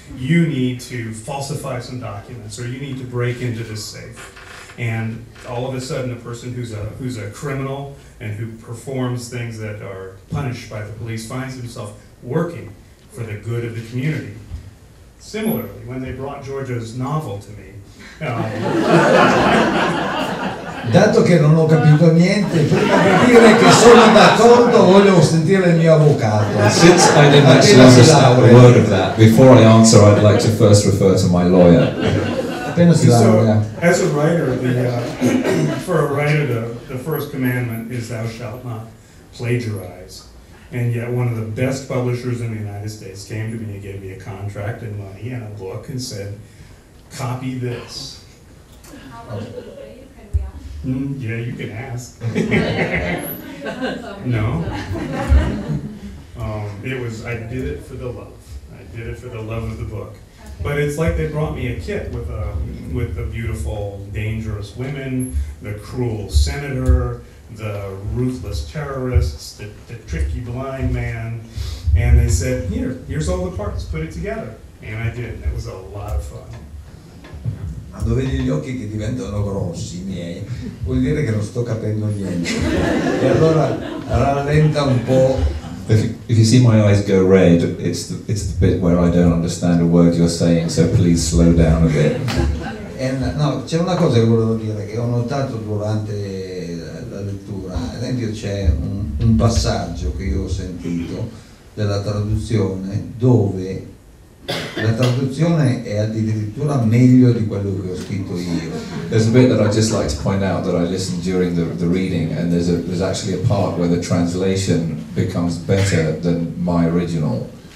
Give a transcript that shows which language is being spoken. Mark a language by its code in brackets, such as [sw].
[en] You need to falsify some documents, or you need to break into this safe." And all of a sudden, a person who's a criminal and who performs things that are punished by the police finds himself working for the good of the community. Similarly, when they brought Giorgio's novel to me, [it] dato che non ho capito niente, prima di dire che sono d'accordo, voglio sentire il mio avvocato. [en] Since I didn't actually understand a word of that, before I answer, I'd like to first refer to my lawyer. So, as a writer, for a writer, the first commandment is thou shalt not plagiarize. And yet one of the best publishers in the United States came to me and gave me a contract and money and a book and said, copy this. Yeah, you can ask. No? I did it for the love. I did it for the love of the book. But it's like they brought me a kit with the beautiful, dangerous women, the cruel senator, the ruthless terrorists, the tricky blind man, and they said, here's all the parts, put it together. And I did, and it was a lot of fun. [it] Ma dove gli occhi che diventano grossi miei, vuol dire che non sto capendo niente. E allora rallenta un po'. [en] If you see my eyes go red, it's the bit where I don't understand a word you're saying, so please slow down a bit. [it] And no, c'è una cosa che volevo dire che ho notato durante la lettura. Ad esempio, c'è un passaggio che io ho sentito della traduzione dove la traduzione è addirittura meglio di quello che ho scritto io. There's a bit that I'd just like to point out that I listened during the reading, and there's actually a part where the translation becomes better than my original.